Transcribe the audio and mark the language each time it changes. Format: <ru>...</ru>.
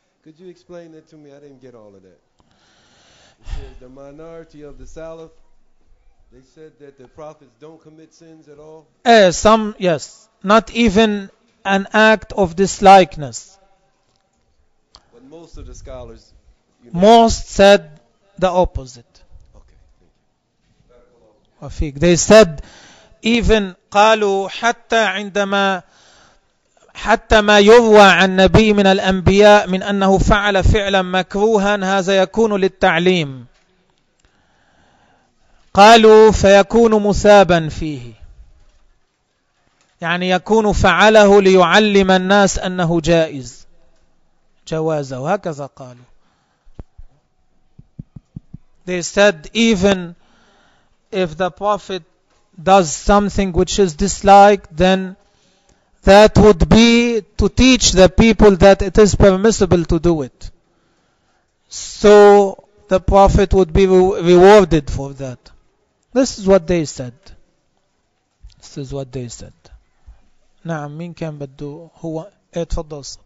<en>Could you explain that to me? I didn't get all of that. The minority of the Salaf, they said that the prophets don't commit sins at all. Some, yes, not even an act of dislikeness. Most of the scholars, you know, most said the opposite. Okay. They said even</en> <ar>قالوا حتى عندما حتى ما يروى عن نبي من الأنبياء من أنه فعل فعلا مكروها هذا يكون للتعليم. قالوا فيكون مثابا فيه, يعني يكون فعله ليعلم الناس أنه جائز جوازه, وهكذا قالوا.</ar> <en>They said even if the prophet does something which is disliked, then that would be to teach the people that it is permissible to do it. So the prophet would be rewarded for that. This is what they said. This is what they said.</en> <ar>نعم, مين كان بده هو؟ اتفضل.</ar>